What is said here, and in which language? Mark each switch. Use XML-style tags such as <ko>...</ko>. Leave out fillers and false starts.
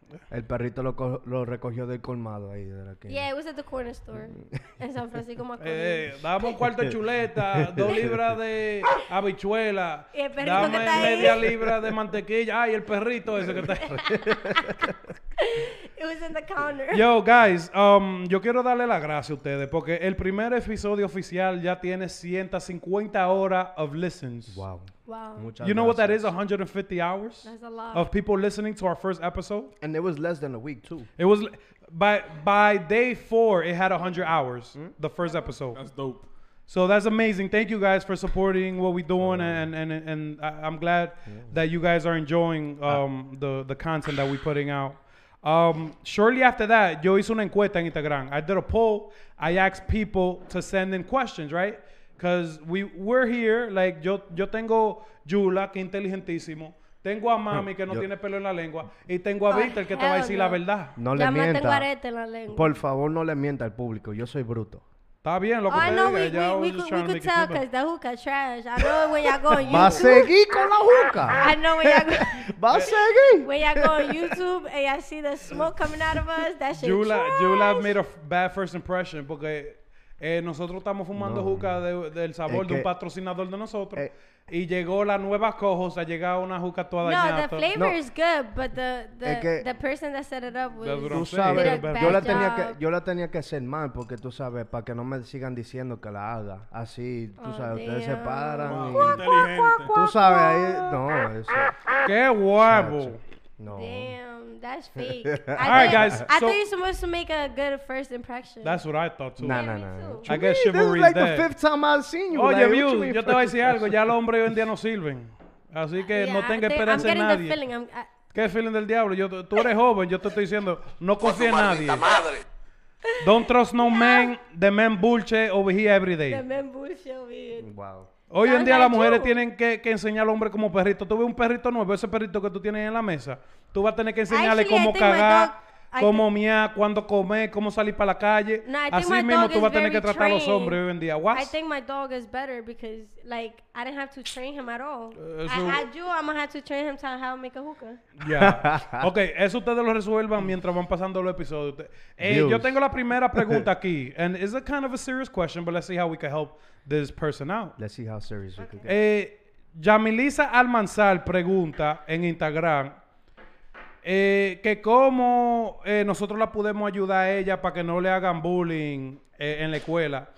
<es>El perrito lo recogió del colmado ahí de la que.</es> <en>Yeah, it was at the corner store en San Francisco</en> <es>Macorís. Damos un cuarto de chuleta, 2 libras de habichuela. Y el perrito dame que está ahí. Media libra de mantequilla. Ay, el perrito ese que está ahí.</es> <en>It was in the counter.</en> <es>Yo, guys, yo quiero darle la gracia a ustedes porque el primer episodio oficial ya tiene 150 horas</es> <en>of listens. Wow. Wow.</en> <es>Muchas</es> <en>you know</en> <es>gracias.</es> <en>What that is? 150 hours? That's a lot. Of people listening to our first episode. And it was less than a week, too. It was by day 4, it had 100 hours, the first episode. That's dope. So that's amazing. Thank you guys for supporting what we're doing, and I'm glad that you guys are enjoying the content that we're putting out. Shortly after that,</en> <es>yo hice una encuesta en Instagram.</es> <en>I did a poll. I asked people to send in questions, right? Because we're here. Like,</en> <es>yo tengo Yula, que inteligentísimo. Tengo a Mami, que no tiene pelo en la lengua. Y tengo a Víctor, que te va a decir la verdad. No le mienta. Ya me tengo arete en la lengua. Por favor, no le mienta al público. Yo soy bruto. Está bien lo que te diga.</es> <en>We could tell because the hookah trash. I know when y'all go on YouTube.</en> <es>Va a seguir con la hookah.</es> <en>I know when y'all go.</en> <es>Va a seguir.</es> <en>When y'all go on YouTube and y'all see the smoke coming out of us, that shit Yula, trash. Yula made a bad first impression</en> <es>porque nosotros estamos fumando hookah del sabor de un patrocinador de nosotros. Y llegó la nueva cojosa, llega una juca toda dañada.</es> <en>No, the flavor is good, but the person that set it up was</en> <es>tú sabes, yo la tenía que hacer mal porque tú sabes, para que no me sigan diciendo que la haga. Así, tú sabes, ustedes se paran y tú sabes ahí, no, eso. Qué huevo. No.</es> <en>Damn, that's fake. All right, guys. I thought you were supposed to make a good first impression. That's what I thought, too. Nah. I guess chivalry is dead. This is like the fifth time I've seen you.</en> <es>Oye,</es> <en>like,</en> <es>Mew, yo te voy a decir algo. Ya los hombres hoy en día no sirven. Así que no tenga esperanza en nadie.</es> <en>I'm getting the feeling.</en> <es>¿Qué feeling del diablo? Tú eres joven. Yo te estoy diciendo, no confía en nadie.</es> <en>Don't trust no man. The man bullshit over here every day. The man bullshit over here. Wow.</en> <es>Hoy en día las mujeres tienen que enseñar al hombre como perrito. Tú ves un perrito nuevo, ese perrito que tú tienes en la mesa. Tú vas a tener que enseñarle cómo cagar, cómo miar, cuándo comer, cómo salir para la calle. Así mismo tú vas a tener que tratar a los hombres hoy en día.</es> <en>What? I think my dog is better because, like, I didn't have to train him at all. I had you, I'm going to have to train him to how to make a hookah. Yeah.</en> <es>Okay, eso ustedes lo resuelvan mientras van pasando los episodios. Yo tengo la primera pregunta aquí.</es> <en>And it's a kind of a serious question, but let's see how we can help this person out. Let's see how serious we can get.</en> <es>Yamilisa Almanzar pregunta en Instagram que cómo nosotros la podemos ayudar a ella para que no le hagan bullying en la escuela.</es>